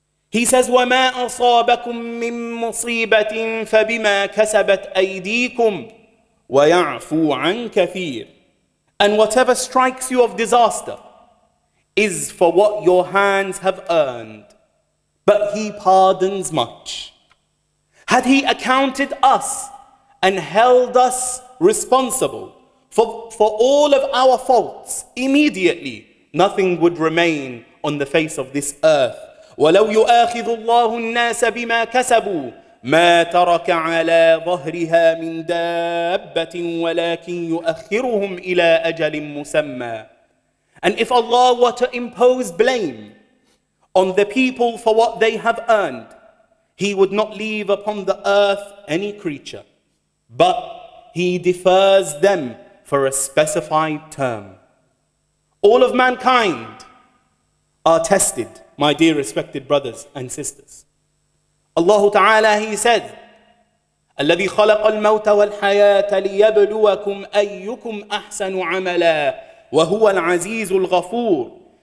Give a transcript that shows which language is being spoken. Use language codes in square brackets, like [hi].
[en] He says, [ar] وَمَا أَصَابَكُم مِّن مُصِيبَةٍ فَبِمَا كَسَبَتْ أَيْدِيكُمْ وَيَعْفُو عَن كَثِيرٍ. [en] And whatever strikes you of disaster is for what your hands have earned, but he pardons much. Had he accounted us and held us responsible for all of our faults, immediately nothing would remain on the face of this earth. [ar] وَلَوْ يُؤَاخِذُ اللَّهُ النَّاسَ بِمَا كَسَبُوا مَا تَرَكَ عَلَىٰ ظَهْرِهَا مِنْ دَابَّةٍ وَلَكِنْ يُؤَخِّرُهُمْ إِلَىٰ أَجَلٍ مُسَمَّى. [en] And if Allah were to impose blame on the people for what they have earned, he would not leave upon the earth any creature, but he defers them for a specified term. All of mankind are tested, my dear respected brothers and sisters. Allah Ta'ala, he said, [ar] الَّذِي خَلَقَ الْمَوْتَ وَالْحَيَاةَ لِيَبْلُوَكُمْ أَيُّكُمْ أَحْسَنُ عَمَلًا وَهُوَ الْعَزِيزُ الْغَفُورُ.